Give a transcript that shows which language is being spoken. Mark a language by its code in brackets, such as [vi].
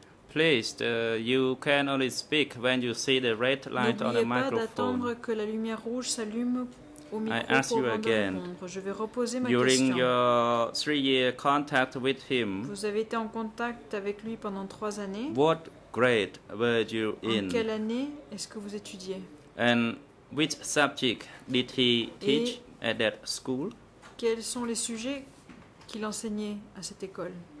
[en] Please, you can only speak when you see the red light [fr] N'oubliez [en] on the microphone. [fr] N'oubliez pas d'attendre que la lumière rouge s'allume. [en] I ask you again, during your 3 year contact with him, [fr] vous avez été en contact avec lui pendant 3 années. [en] What grade were you in? [fr] En quelle année est-ce que vous étudiez? [en] And which subject did he teach at that school? [fr] Quels sont les sujets qu'il enseignait à cette école?